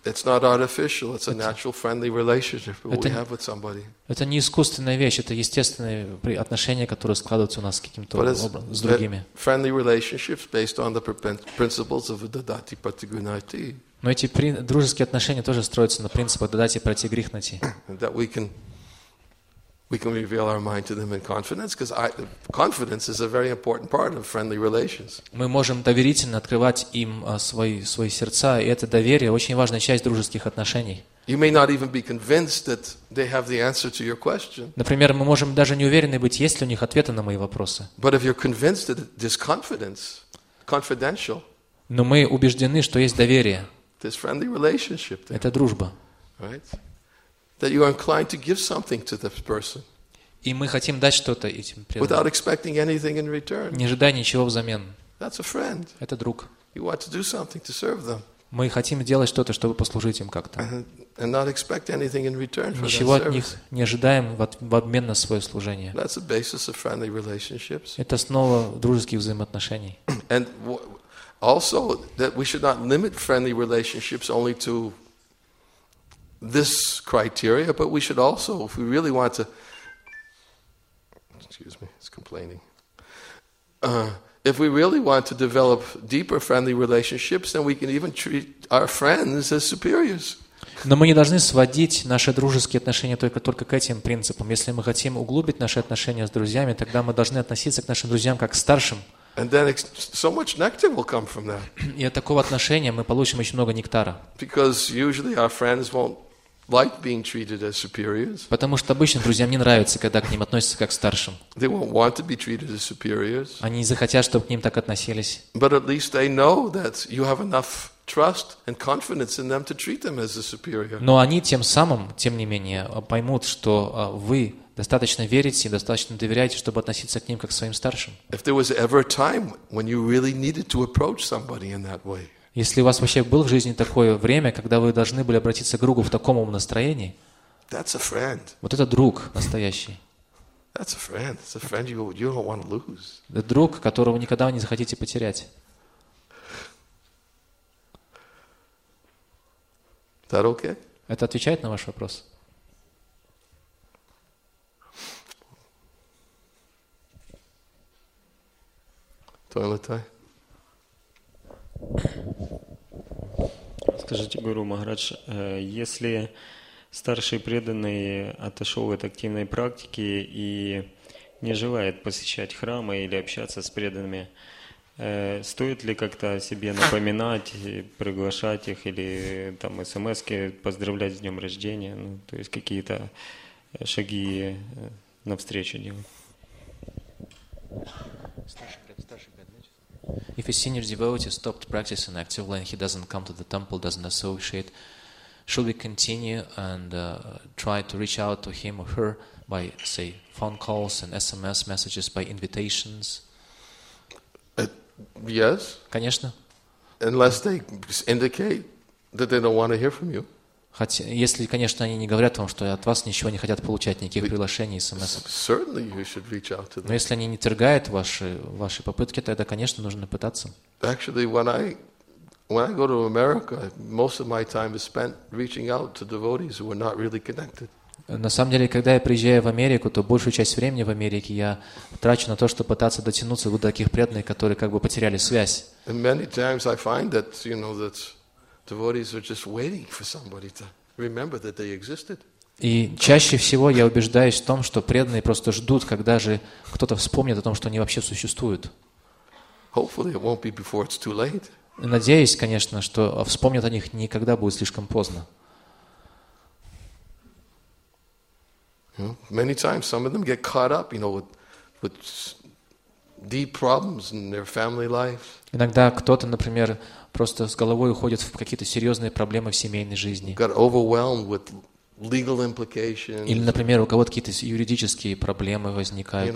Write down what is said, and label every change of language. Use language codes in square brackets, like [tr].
[en] It's not artificial. It's a natural friendly relationship that we have with somebody. [ru] Это не искусственная вещь, это естественные отношения, которые складываются у нас каким-то образом с другими. [en] Friendly relationships based on the principles of Dadati Pratigunati. [ru] Но эти дружеские отношения тоже строятся на принципах Дадати Пратигрихнати. [en] We can reveal our mind to them in confidence, because confidence is a very important part of friendly relations. [ru] Мы можем доверительно открывать им свои сердца, и это доверие очень важная часть дружеских отношений. [en] You may not even be convinced that they have the answer to your question. [ru] Например, мы можем даже не уверены быть, есть ли у них ответы на мои вопросы. [en] But if you're convinced that this confidence, confidential. [ru] Но мы убеждены, что есть доверие. [en] This friendly relationship. [ru] Это дружба. [en] Right. That you are inclined to give something to this person. [ru] И мы хотим дать что-то этим преданным. [en] Without expecting anything in return. [ru] Не ожидая ничего взамен. [en] That's a friend. [ru] Это друг. [en] You want to do something to serve them. [ru] Мы хотим делать что-то, чтобы послужить им как-то. [en] And not expect anything in return for that service. [ru] Ничего от них не ожидаем в обмен на свое служение. [en] That's the basis of friendly relationships. [ru] Это основа дружеских взаимоотношений. [en] And also that we should not limit friendly relationships only to this criteria, but we should also, if we really want to, excuse me, it's complaining. If we really want to develop deeper friendly relationships, then we can even treat our friends as superiors. [ru] Но мы не должны сводить наши дружеские отношения только к этим принципам. Если мы хотим углубить наши отношения с друзьями, тогда мы должны относиться к нашим друзьям как к старшим. [en] And then so much nectar will come from that. [ru] И от такого отношения мы получим очень много нектара. [en] Because usually our friends won't like being treated as superiors. [ru] Потому что обычно друзьям не нравится, когда к ним относятся как к старшим. [en] They won't want to be treated as superiors. [ru] Они не захотят, чтобы к ним так относились. [en] But at least they know that you have enough trust and confidence in them to treat them as a superior. [ru] Но они тем самым, тем не менее, поймут, что вы достаточно верите, достаточно доверяете, чтобы относиться к ним как к своим старшим. [en] If there was ever a time when you really needed to approach somebody in that way. [ru] Если у вас вообще было в жизни такое время, когда вы должны были обратиться к другу в таком настроении, [en] that's a friend. [ru] Вот это друг настоящий. [en] That's a friend. It's a friend you don't want to lose. [ru] Это друг, которого никогда вы не захотите потерять. [en] That okay? [ru] Это отвечает на ваш вопрос? Туалетай. Скажите, Гуру Махарадж, если старший преданный отошел от активной практики и не желает посещать храмы или общаться с преданными, стоит ли как-то себе напоминать, приглашать их или там смс-ки поздравлять с днем рождения, ну, то есть какие-то шаги навстречу делать? [en] If a senior devotee stopped practicing actively and he doesn't come to the temple, doesn't associate, should we continue and try to reach out to him or her by, say, phone calls and SMS messages, by invitations? Yes. [ru] Конечно. [en] Unless they indicate that they don't want to hear from you. [ru] Хотя, если, конечно, они не говорят вам, что от вас ничего не хотят получать, никаких приглашений, смс. Но если они не тергают ваши попытки, тогда, конечно, нужно пытаться. [en] Actually, when I go to America, most of my time is spent reaching out to devotees who are not really connected. [ru] На самом деле, когда я приезжаю в Америку, то большую часть времени в Америке я трачу на то, чтобы пытаться дотянуться до таких преданных, которые как бы потеряли связь. [en] And many times I find that, you know, that devotees are just waiting for somebody to remember that they existed. [ru] И чаще всего я убеждаюсь в том, что преданные просто ждут, когда же кто-то вспомнит о том, что они вообще существуют. [en] Hopefully it won't be before it's too late. [ru] Надеюсь, конечно, что вспомнят о них не когда будет слишком поздно. [en] You know, many times some of them get caught up, you know, with deep problems in their family life. [ru] Иногда кто-то, например, просто с головой уходит в какие-то серьезные проблемы в семейной жизни. [en] Got overwhelmed with legal implications. [ru] Или, например, у кого-то какие-то юридические проблемы возникают.